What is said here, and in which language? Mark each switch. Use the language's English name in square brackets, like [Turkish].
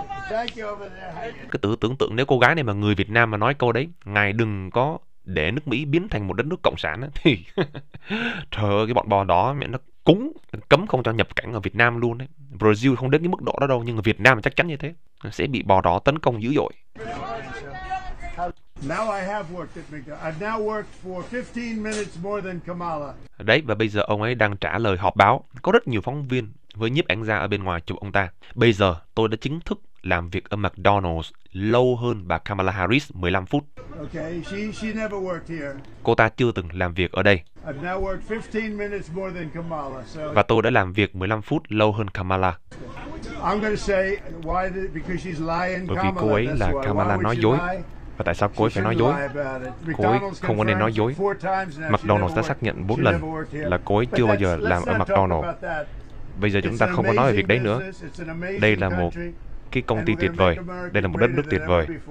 [Vietnamese] Cái tự tưởng tượng nếu cô gái này mà người Việt Nam mà nói câu đấy, ngài đừng có để nước Mỹ biến thành một đất nước cộng sản ấy, thì trời ơi, cái bọn bò đó mẹ nó cúng, cấm không cho nhập cảnh ở Việt Nam luôn đấy. Brazil không đến cái mức độ đó đâu, nhưng ở Việt Nam chắc chắn như thế, sẽ bị bò đó tấn công dữ dội. [English] Now I have worked at McDonald's. I've now worked for 15 minutes more than Kamala. [Vietnamese] Đấy, và bây giờ ông ấy đang trả lời họp báo. Có rất nhiều phóng viên với nhiếp ảnh gia ở bên ngoài chụp ông ta. Bây giờ tôi đã chính thức làm việc ở McDonald's lâu hơn bà Kamala Harris 15 phút. [English] Okay, she never worked here. [Vietnamese] Cô ta chưa từng làm việc ở đây. [English] I've now worked 15 minutes more than Kamala. [Vietnamese] Và tôi đã làm việc 15 phút lâu hơn Kamala. [English] I'm going to say why the, because she's lying. [Vietnamese] Bởi vì cô ấy là Kamala nói dối. Và tại sao cô ấy phải nói dối? Cô ấy không có nên nói dối. McDonald's đã xác nhận 4 lần là cô ấy chưa bao giờ làm ở McDonald's. Bây giờ chúng ta không có nói về việc đấy nữa. Đây là một cái công ty tuyệt vời. Đây là một đất nước tuyệt vời.